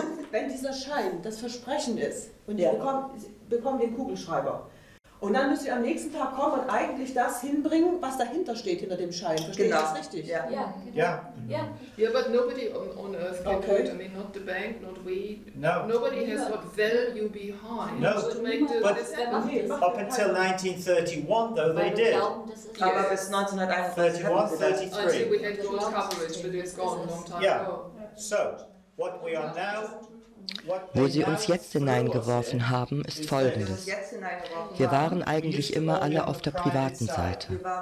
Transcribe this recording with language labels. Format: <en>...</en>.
<de>Wenn dieser Schein das Versprechen ist und ihr bekommt den Kugelschreiber und dann müsst ihr am nächsten Tag kommen und eigentlich das hinbringen, was dahinter steht hinter dem Schein. Verstehe ich das richtig? Ja.</de> <en>Yeah, but nobody on earth can do it. I mean, not the bank, not we. No. Nobody has what value behind. No, so to make the, but this up until 1931, though, they did.</en> <de>Aber bis 1931, 1933.</de> <en>Until we had gold coverage, but it's gone a long time ago. Yeah. So, what we are now...</en> <de>Wo sie uns jetzt hineingeworfen haben, ist Folgendes. Wir waren eigentlich immer alle auf der privaten Seite.</de>